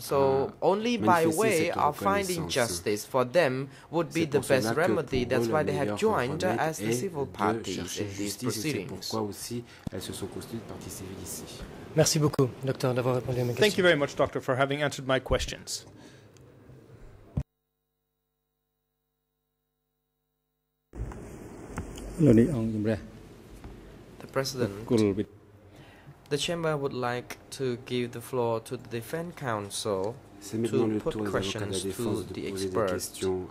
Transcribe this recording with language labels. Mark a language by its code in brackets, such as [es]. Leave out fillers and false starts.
[en] So only by way of finding justice for them would be the best remedy. That's why they have joined as the civil parties in these proceedings. [fr] C'est pourquoi aussi elles se sont constituées parties civiles ici. Merci beaucoup, docteur, d'avoir répondu à mes questions. [en] Thank you very much, doctor, for having answered my questions. The president. The chamber would like to give the floor to the defense counsel to put questions to the expert.